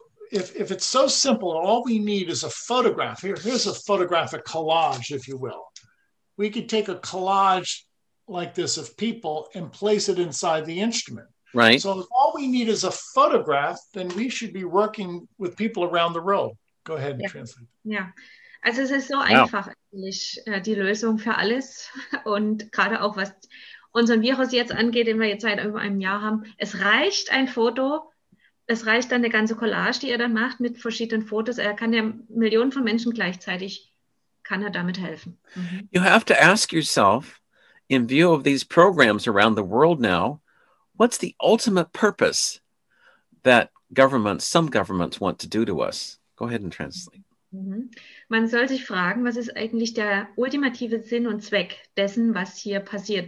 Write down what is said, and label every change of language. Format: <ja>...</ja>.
<en>If it's so simple, all we need is a photograph. Here's a photographic collage, if you will. We could take a collage like this of people and place it inside the instrument. Right. So if all we need is a photograph, then we should be working with people around the world. Go ahead and translate. Yeah.</en> <de>Also es ist so einfach eigentlich die Lösung für alles. Und gerade auch was unseren Virus jetzt angeht, den wir jetzt seit über einem Jahr haben. Es reicht ein Foto. Es reicht dann eine ganze Collage, die er dann macht mit verschiedenen Fotos. Er kann ja Millionen von Menschen gleichzeitig, kann er damit helfen. Mhm.</de> <en>You have to ask yourself, in view of these programs around the world now, what's the ultimate purpose that some governments want to do to us? Go ahead and translate. Mhm.</en> <de>Man soll sich fragen, was ist eigentlich der ultimative Sinn und Zweck dessen, was hier passiert?</de>